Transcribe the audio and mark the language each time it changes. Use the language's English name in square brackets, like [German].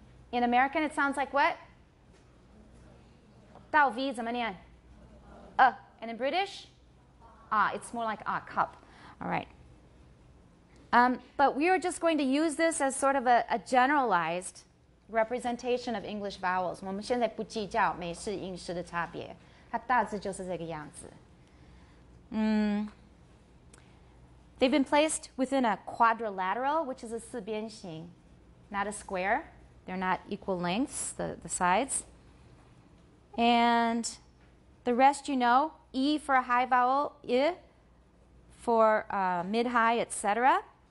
[English] In American, it sounds like what? [Chinese] 到V怎么念? [English] And in British? Ah, it's more like ah, cup. All right. But we are just going to use this as sort of a generalized representation of English vowels. [Chinese] 我们现在不计较美式英式的差别. 它大致就是这个样子. [English] They've been placed within a quadrilateral, which is a 四边形, not a square. They're not equal lengths, the sides. And the rest you know, E for a high vowel, I for mid-high, etc.